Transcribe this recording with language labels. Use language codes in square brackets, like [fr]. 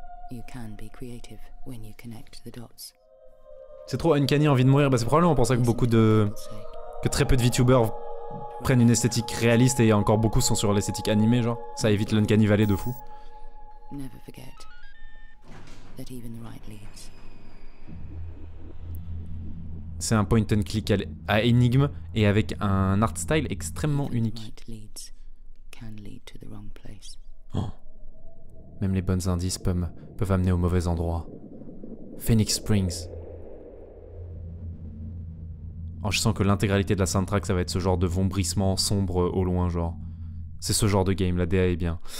[en] You can be creative when you connect the dots. [fr] C'est trop uncanny, envie de mourir. Bah c'est probablement pour ça que beaucoup de... que très peu de VTubers prennent une esthétique réaliste et encore beaucoup sont sur l'esthétique animée, genre. Ça évite l'uncanny valley de fou. [en] Never forget that even the right leads. [fr] C'est un point and click à énigme et avec un art style extrêmement unique. [en] Right leads can lead to the wrong place. Oh. [fr] Même les bons indices peuvent amener au mauvais endroit. Phoenix Springs. Oh, je sens que l'intégralité de la soundtrack, ça va être ce genre de vombrissement sombre au loin, genre. C'est ce genre de game, la DA est bien.